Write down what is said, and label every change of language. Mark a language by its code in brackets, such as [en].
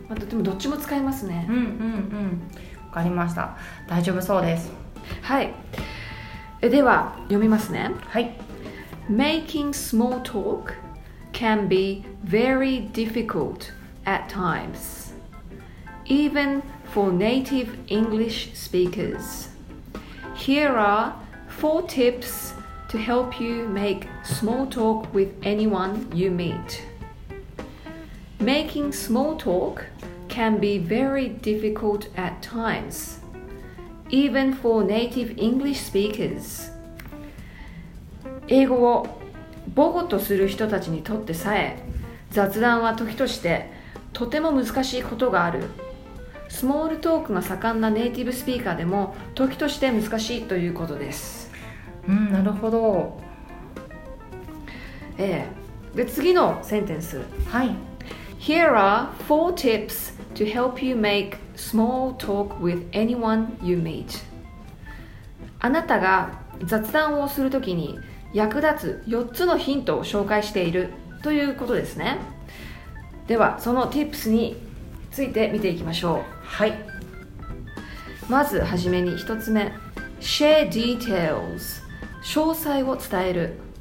[ja] でもどっちも使いますね。わかりました、大丈夫そうです。はい、では読みますね。はい、 [en] Making small talk can be very difficult at times evenFor native English speakers, here are four tips to help you make small talk with anyone you meet. Making small talk can be very difficult at times, even for native English speakers. [ja] 英語を母語とする人たちにとってさえ、雑談は時としてとても難しいことがある。スモールトークが盛んなネイティブスピーカーでも時として難しいということです。うん、なるほど。ええ、で次のセンテンス。はい。 [en] Here are four tips to help you make small talk with anyone you meet. [ja] あなたが雑談をするときに役立つ4つのヒントを紹介しているということですね。ではその tips について見ていきましょう。はい。まずはじめに1つ目、 Share details、詳細を伝える。